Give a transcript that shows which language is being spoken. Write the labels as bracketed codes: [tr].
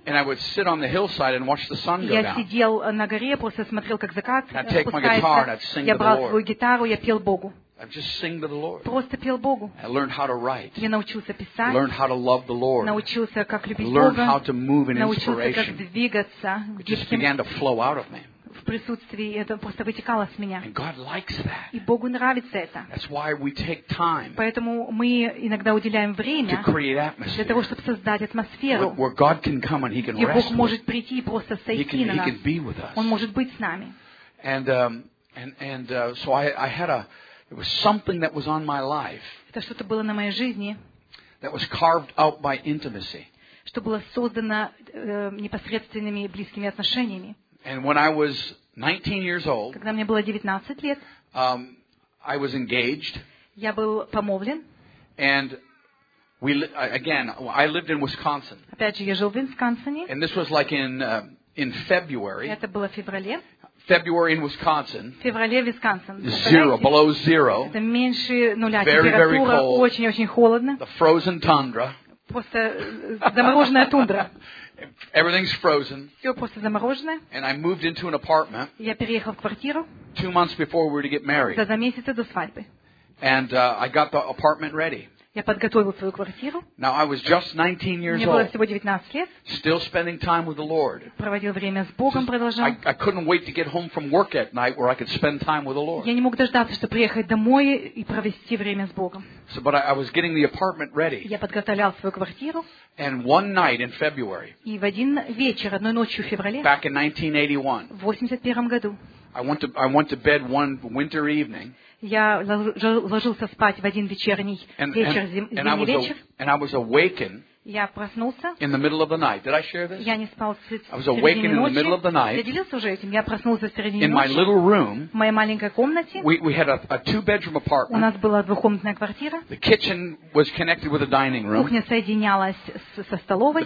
[en] And I would sit on the hillside and watch the sun go [ru] я [en] down. [ru] Я сидел на горе, просто смотрел, как закат спускается. [en] I'd take my guitar and I'd sing [ru] я брал [en] to the [ru] свою [en] Lord. [ru] Гитару, я пел Богу. [en] I just sing to the Lord. [ru] Просто пел Богу. [en] I learned how to write. [ru] Я научился писать. [en] Learned how to love the Lord. [ru] Научился как любить Бога. [en] Learned how to move in inspiration. [ru] Научился как двигаться. [en] It just began to flow out of me. [ru] В присутствии это просто вытекало с меня. [en] And God likes that. [ru] И Богу нравится это. [en] That's why we take time. [ru] Поэтому мы иногда уделяем время. [en] To create atmosphere. [ru] Для того, чтобы создать атмосферу. [en] Where God can come and He can rest. [ru] Где Бог может прийти и просто сойти на нас. [en] He can be with us. [ru] Он может быть с нами. [en] And so I had a It was something that was on my life. [ru] Это что-то было на моей жизни. [en] That was carved out by intimacy. [ru] Что было создано непосредственными близкими отношениями. [en] And when I was 19 years old. [ru] Когда мне было 19 лет. [en] I was engaged. [ru] Я был помолвлен. [en] And we again, I lived in Wisconsin. [ru] Опять же, я жил в Висконсине. [en] And this was like in February. [ru] Это было в феврале. [en] February in Wisconsin. [ru] Феврале в Висконсине. [en] Zero, below zero. [ru] Это меньше нуля. [en] Very, very cold. [ru] Очень-очень холодно. [en] The frozen tundra. [ru] Просто замороженная тундра. [en] Everything's frozen. [ru] Все просто замороженное. [en] And I moved into an apartment. [ru] Я переехал в квартиру. [en] 2 months before we were to get married. [ru] За 2 месяца до свадьбы. [en] And I got the apartment ready. [ru] Я подготовил свою квартиру. [en] Now I was just 19 years [ru] old. Мне было всего 19 лет. [en] Still spending time with the Lord. [ru] Проводил время с Богом, продолжал. [en] I couldn't wait to get home from work at night where I could spend time with the Lord. [ru] Я не мог дождаться, чтобы приехать домой и провести время с Богом. [en] So, but I was getting the apartment ready. [ru] Я подготавливал свою квартиру. [en] And one night in February. [ru] И в один вечер, одной ночью в феврале. [en] Back in 1981. [ru] В 81 году. [en] I went to bed one winter evening. [ru] Я ложился спать в один вечерний вечер, зимний вечер. [en] And I was awakened. [ru] Я проснулся. [en] In the middle of the night. Did I share this? [ru] Я не спал в середине ночи. [en] I was awakened in the middle of the night. [ru] Я делился уже этим. Я проснулся в середине ночи. [en] In my little room. [ru] В моей маленькой комнате. [en] We had a two-bedroom apartment. [ru] У нас была двухкомнатная квартира. [en] The kitchen was connected with the dining room. [ru] Кухня соединялась со столовой.